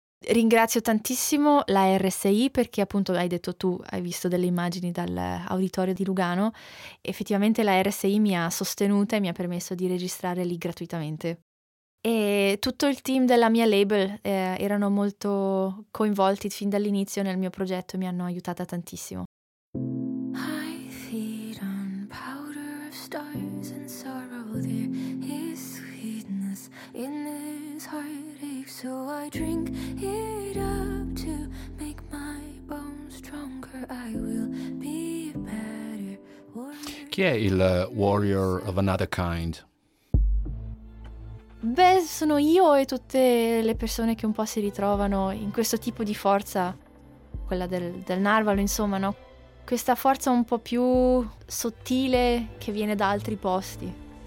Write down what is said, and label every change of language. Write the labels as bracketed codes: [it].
[it] Ringrazio tantissimo la RSI, perché appunto hai detto tu, hai visto delle immagini dall'auditorio di Lugano. Effettivamente la RSI mi ha sostenuta e mi ha permesso di registrare lì gratuitamente. E tutto il team della mia label erano molto coinvolti fin dall'inizio nel mio progetto e mi hanno aiutata tantissimo. [en] I feed on powder of stars and sorrow, there is sweetness in this heart. So I drink it up to make my bones stronger. I will be better. [it] Chi è il [en] warrior of another kind? [it] Beh, sono io e tutte le persone che un po' si ritrovano in questo tipo di forza, quella del narvalo, insomma, no? Questa forza un po' più sottile che viene da altri posti.